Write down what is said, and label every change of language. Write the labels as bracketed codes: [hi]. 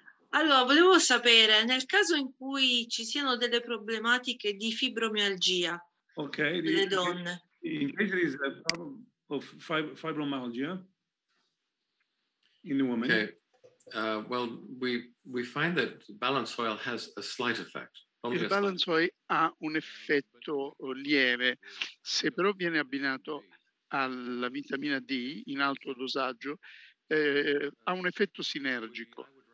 [it] Allora, volevo sapere, nel caso in cui ci siano delle problematiche di fibromialgia, okay, delle donne. [en] In case there is a problem of fibromyalgia in the woman. Okay. Well, we find that balance oil has a slight effect. [it] Il balance oil ha un effetto lieve, se però viene abbinato alla vitamina D in alto dosaggio, ha un effetto sinergico.